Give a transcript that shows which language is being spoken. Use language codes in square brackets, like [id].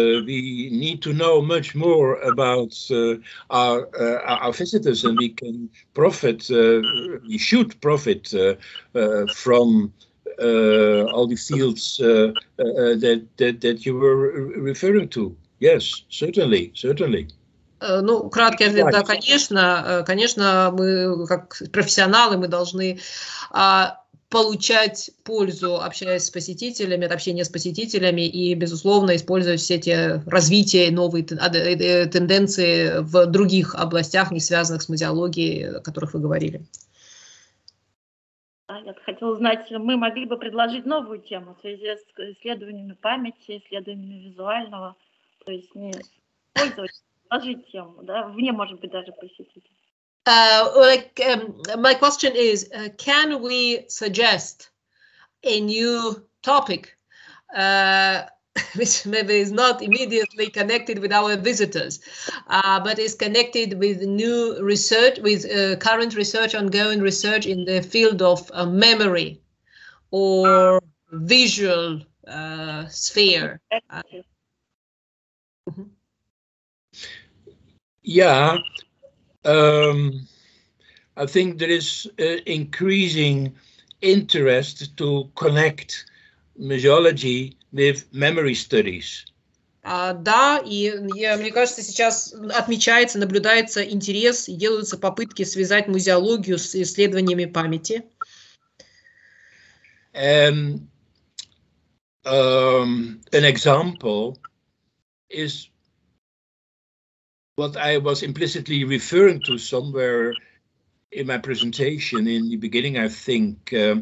[en] We need to know much more about our visitors, and we should profit from all the fields that you were referring to. Yes, certainly, certainly. [ru] Ну, краткий ответ, да, конечно. Конечно, мы как профессионалы, мы должны получать пользу, общаясь с посетителями, от общения с посетителями и, безусловно, использовать все те развития, новые тенденции в других областях, не связанных с музеологией, о которых вы говорили. Да, я хотела узнать, мы могли бы предложить новую тему в связи с исследованиями памяти, исследованиями визуального, то есть не использовать, предложить тему, да, вне, может быть, даже посетителей. [en] My question is, can we suggest a new topic which maybe is not immediately connected with our visitors, but is connected with new research, with current research, ongoing research in the field of memory or visual sphere? Yeah. I think there is increasing interest to connect museology with memory studies. [ru] Да, и мне кажется, сейчас отмечается, наблюдается интерес и делаются попытки связать музеологию с исследованиями памяти. [en] An example is what I was implicitly referring to somewhere in my presentation in the beginning, I think.